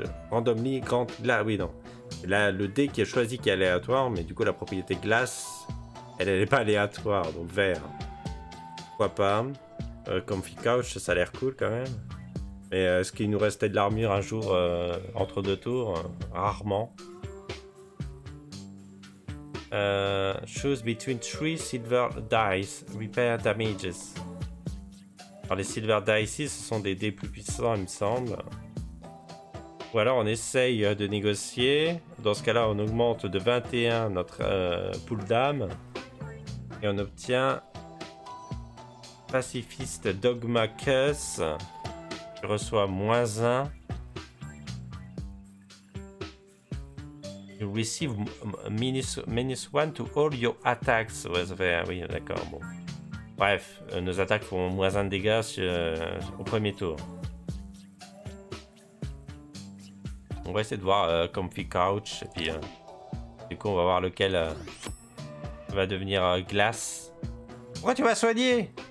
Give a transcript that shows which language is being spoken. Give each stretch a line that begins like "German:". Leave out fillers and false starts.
English: randomly grant glass,
French: oui non. Là, le dé qui est choisi qui est aléatoire, mais du coup la propriété glace, elle n'est pas aléatoire, donc vert. Pourquoi pas. Comfy Couch, ça a l'air cool quand même. Mais est-ce qu'il nous restait de l'armure un jour entre deux tours? Rarement.
English: Choose between 3 silver dice, repair damages.
French: Alors les silver dice ici, ce sont des dés plus puissants, il me semble. Ou alors on essaye de négocier. Dans ce cas-là, on augmente de 21 notre pool d'âme. Et on obtient Pacifiste Dogma Curse. Je reçois moins 1.
English: You receive minus 1 to all your attacks.
French: Ouais, ça fait, oui, d'accord. Bon. Bref, nos attaques font moins 1 de dégâts au premier tour. On va essayer de voir Comfy Couch. Et puis, du coup, on va voir lequel va devenir glace. Pourquoi tu m'as soigné?